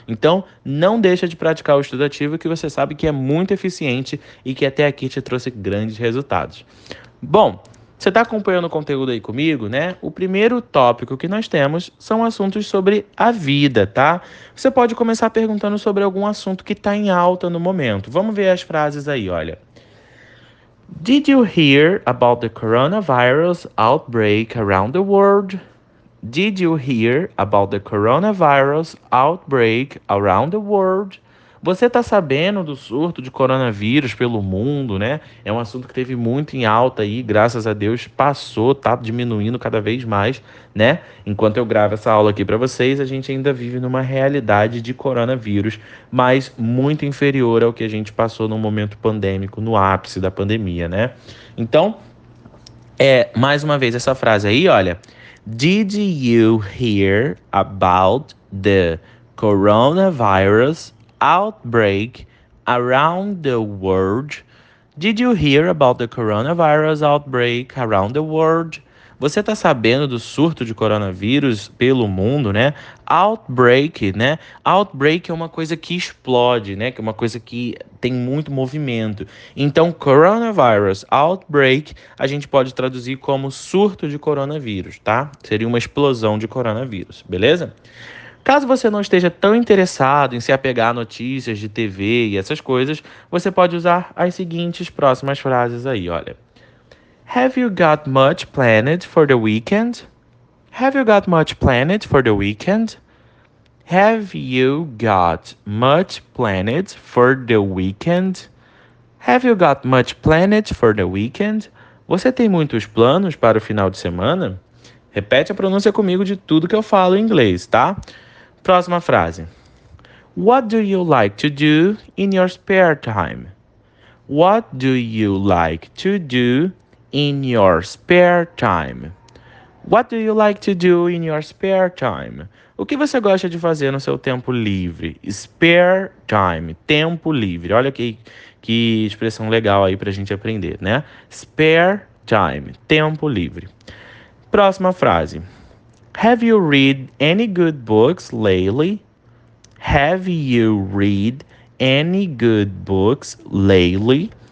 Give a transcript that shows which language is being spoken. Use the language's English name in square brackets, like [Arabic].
[Portuguese] Então, não deixa de praticar o estudo ativo, que você sabe que é muito eficiente e que até aqui te trouxe grandes resultados. Bom, você está acompanhando o conteúdo aí comigo, né? O primeiro tópico que nós temos são assuntos sobre a vida, tá? Você pode começar perguntando sobre algum assunto que está em alta no momento. Vamos ver as frases aí, olha. [English] Did you hear about the coronavirus outbreak around the world? Did you hear about the coronavirus outbreak around the world? [Portuguese] Você está sabendo do surto de coronavírus pelo mundo, né? É um assunto que teve muito em alta aí, graças a Deus passou, tá diminuindo cada vez mais, né? Enquanto eu gravo essa aula aqui para vocês, a gente ainda vive numa realidade de coronavírus, mas muito inferior ao que a gente passou no momento pandêmico, no ápice da pandemia, né? Então, mais uma vez essa frase aí, olha. [English] Did you hear about the coronavirus outbreak around the world? Did you hear about the coronavirus outbreak around the world? [Portuguese] Você está sabendo do surto de coronavírus pelo mundo, né? Outbreak, né? Outbreak é uma coisa que explode, né? Que é uma coisa que tem muito movimento. Então, coronavirus, outbreak, a gente pode traduzir como surto de coronavírus, tá? Seria uma explosão de coronavírus, beleza? Caso você não esteja tão interessado em se apegar a notícias de TV e essas coisas, você pode usar as seguintes próximas frases aí, olha. [English] Have you got much planned for the weekend? Have you got much planned for the weekend? Have you got much planned for the weekend? Have you got much planned for the weekend? [Portuguese] Você tem muitos planos para o final de semana? Repete a pronúncia comigo de tudo que eu falo em inglês, tá? Próxima frase. [English] What do you like to do in your spare time? What do you like to do in your spare time? What do you like to do in your spare time? [Portuguese] O que você gosta de fazer no seu tempo livre? Spare time, tempo livre. Olha que expressão legal aí para a gente aprender, né? Spare time, tempo livre. Próxima frase. [English] Have you read any good books lately? Have you read any good books lately?